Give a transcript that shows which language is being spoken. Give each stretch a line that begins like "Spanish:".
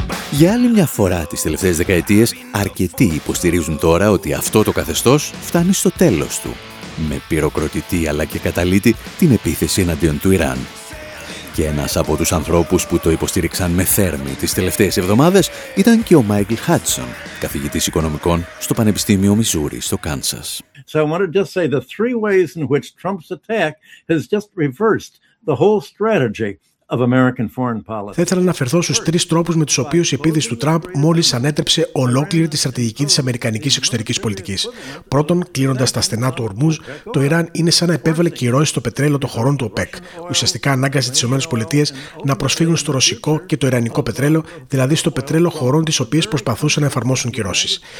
Greek: Για άλλη μια φορά τις τελευταίες δεκαετίες, αρκετοί υποστηρίζουν τώρα ότι αυτό το καθεστώς φτάνει στο τέλος του, με πυροκροτητή αλλά και καταλήτη την επίθεση εναντίον του Ιράν. Και ένας από τους ανθρώπους που το υποστήριξαν με θέρμη τις τελευταίες εβδομάδες ήταν και ο Μάικλ Χάτσον, καθηγητής οικονομικών στο Πανεπιστήμιο Μιζούρι στο Κάνσας.
English: So I want to just say the three ways in which Trump's attack has just reversed the whole strategy
Greek: Θα ήθελα να αναφερθώ στους τρεις τρόπους με τους οποίους η επίδυση του Τραμπ μόλις ανέτρεψε ολόκληρη τη στρατηγική της αμερικανικής εξωτερικής πολιτικής. Πρώτον, κλείνοντας τα στενά του Ορμούζ, το Ιράν είναι σαν να επέβαλε κυρώσεις στο πετρέλαιο των χωρών του ΟΠΕΚ. Ουσιαστικά ανάγκασε τις ΗΠΑ να προσφύγουν στο ρωσικό και το ιρανικό πετρέλαιο, δηλαδή στο πετρέλαιο χωρών τις οποίες προσπαθούσαν να εφαρμόσουν κυρώσεις.